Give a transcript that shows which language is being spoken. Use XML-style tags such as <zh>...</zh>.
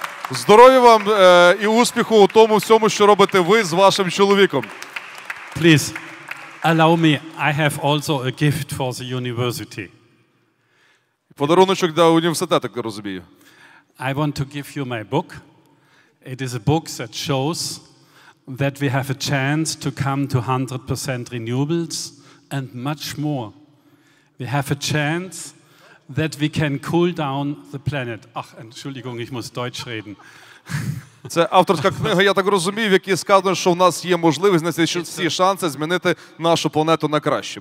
<uk>Здоров'я вам і успіху у тому всьому, що робите ви з вашим чоловіком.</uk> <en>Please, allow me, I have also a gift for the university.</en> <uk>Подаруночок для університету, я розумію.</uk> <en>I want to give you my book. It is a book that shows that we have a chance to come to 100% renewables and much more. We have a chance that we can cool down the planet.</en> <de>Ach, Entschuldigung, ich muss Deutsch reden.</de> <uk>Це авторська книга, я так розумію, в якій сказано, що в нас є можливість, всі шанси змінити нашу планету на краще.</uk>